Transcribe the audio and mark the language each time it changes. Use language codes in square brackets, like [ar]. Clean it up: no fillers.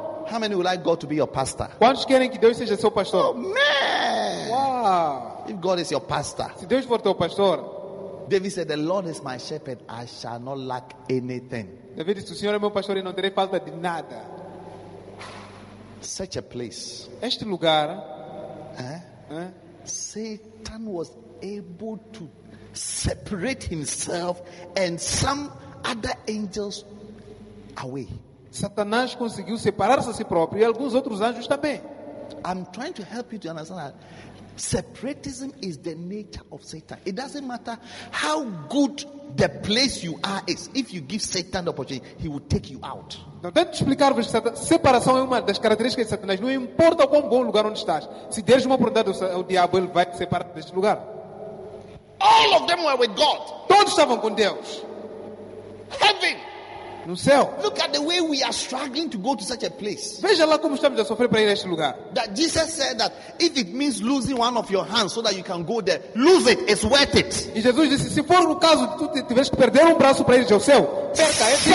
[en] How many would like God to be your pastor? [pt] Quantos querem que Deus seja seu pastor? [en] Oh man! Wow! If God is your pastor. [pt] Se Deus for teu pastor. [en] David said, "The Lord is my shepherd; I shall not lack anything." [pt] David disse, o Senhor é meu pastor e não terei falta de nada. [en] Such a place. [pt] Este lugar. [en] Satan was able to separate himself and some other angels away. [pt] Satanás conseguiu separar-se a si próprio e alguns outros anjos também. [en] I'm trying to help you to understand that separatism is the nature of Satan. It doesn't matter how good the place you are is. If you give Satan the opportunity, he will take you out. [pt] Então, tento explicar-vos que separação é uma das características de Satanás. Não importa o quão bom lugar onde estás. Se deres uma oportunidade ao diabo, ele vai te separar deste lugar. [en] All of them were with God. [pt] Todos estavam com Deus. [en] Heaven. [pt] No céu. [en] Look at the way we are struggling to go to such a place. [pt] Veja lá como estamos a sofrer para ir a este lugar. [en] That Jesus said that if it means losing one of your hands so that you can go there, lose it. It's worth it. [pt] E Jesus disse, se for o caso de tu tiveres que perder um braço para ir ao céu, perca.